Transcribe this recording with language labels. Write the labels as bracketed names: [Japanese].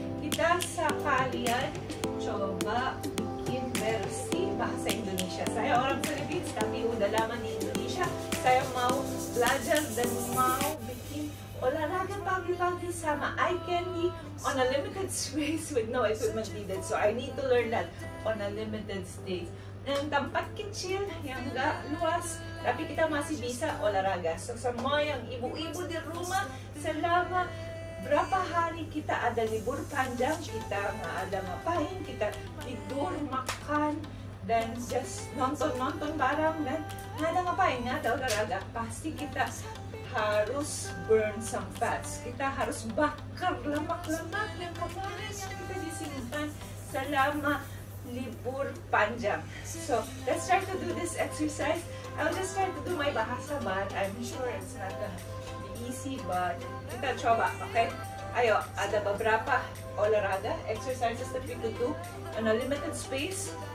[Indonesian] Kita sa kalian coba bikin versi bahasa Indonesia. Saya orang Philippines tapi udah lama di Indonesia. Saya mau belajar dan mau bikin olahraga pagi-pagi sama iCandy [English] on a limited space with no equipment needed. So I need to learn that on a limited space. [Indonesian] Yang tempat kecil, yang enggak luas, tapi kita masih bisa olahraga. So, semua yang ibu-ibu di rumah, selama berapa hari kita ada libur panjang, kita nggak ada ngapain, kita tidur, makan, dan [English] just nonton-nonton bareng, [Indonesian] dan nggak ada ngapain, nggak ada olahraga. Pasti kita harus [English] burn some fats. [Indonesian] Kita harus bakar lemak-lemak yang kemarin yang kita disimpan selama libur panjang. [English] So let's try to do this exercise. I'll just try to do my bahasa, but I'm sure it's not gonna be easy, but [Indonesian] kita coba, [English] okay? [Indonesian] Ayo, ada beberapa olahraga [English] exercises that we could do in a limited space.